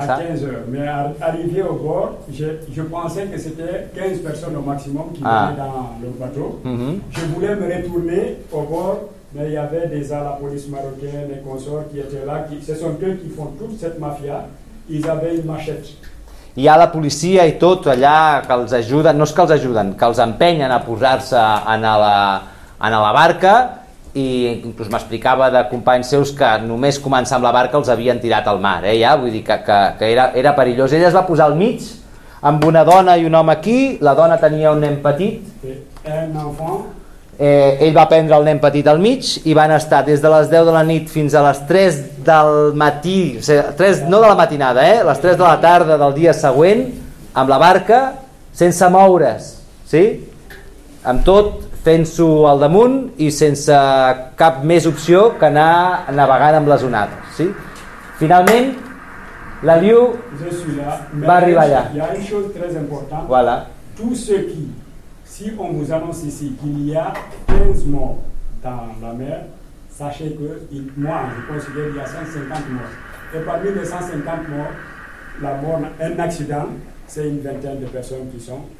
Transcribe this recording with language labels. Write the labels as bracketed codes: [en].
[fr] s'ha? A 15h, mais arrivé au bord, je pensais que c'était 15 personnes au maximum qui venaient dans le bateau. Je voulais me retourner au bord, mais il y avait déjà la police marocaine, les consorts qui étaient là, ce sont eux qui font toute cette mafia. Ils avaient une machette. [ca] Hi ha la policia i tot allà que els ajuden, no és que els ajuden, que els empenyen a posar-se a la barca i inclús m'explicava de companys seus que només començar amb la barca els havien tirat al mar, eh, ja? Vull dir que era perillós. Ella es va posar al mig amb una dona i un home aquí, la dona tenia un nen petit, ell va prendre el nen petit al mig i van estar des de les 10 de la nit fins a les 3 del matí, o sigui, 3, no de la matinada, eh? Les 3 de la tarda del dia següent amb la barca, sense moure's, sí? Amb tot fent-s'ho al damunt i sense cap més opció que anar navegant amb les onades, sí? Finalment la Liu va arribar allà. Hi ha una cosa molt important. [fr] Voilà. Tout ce qui, si on vous annonce ici qu'il y a 15 morts dans la mer, sachez que moi je considère qu'il y a 150 morts. Et parmi les 150 morts, la mort, un accident, c'est une vingtaine de personnes qui sont.